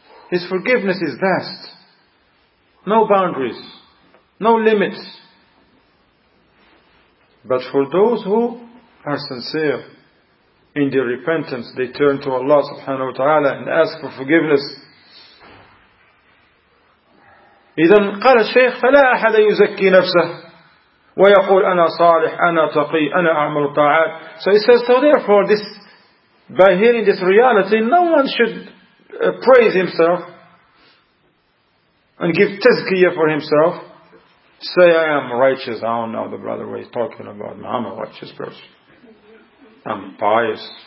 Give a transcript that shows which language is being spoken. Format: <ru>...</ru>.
<en>His forgiveness is vast. No boundaries. No limits. But for those who are sincere in their repentance, they turn to Allah subhanahu wa ta'ala and ask for forgiveness.</en> <ar>إذن قال الشيخ فلا أحد يزكي نفسه ويقول أنا صالح أنا تقي أنا أعمل طاعات.</ar> <en>So he says, so therefore this, by hearing this reality, no one should praise himself and give tazkiyah for himself. Say, I am righteous. I don't know the brother what he's talking about. I'm a righteous person. I'm pious.</en>